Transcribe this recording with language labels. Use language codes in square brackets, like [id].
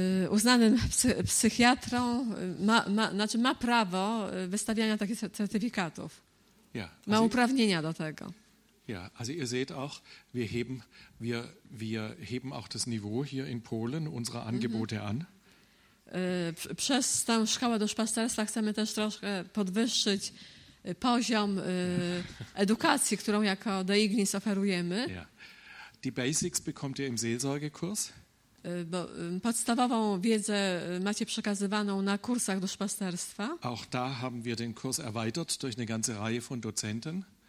[pl] Uznanym psychiatrą, ma prawo wystawiania takich certyfikatów. Ja, ma uprawnienia do tego. [de] Ja, also ihr seht auch, wir heben auch das Niveau hier in Polen, unsere Angebote an. [pl] Przez tę szkołę duszpasterstwa chcemy też troszkę podwyższyć poziom edukacji, którą jako De Ignis oferujemy. Ja. [de] Die Basics bekommt ihr im Seelsorgekurs. [pl] Podstawową wiedzę macie przekazywaną na kursach duszpasterstwa. [de] Auch da haben wir den Kurs erweitert durch eine ganze Reihe von Dozenten.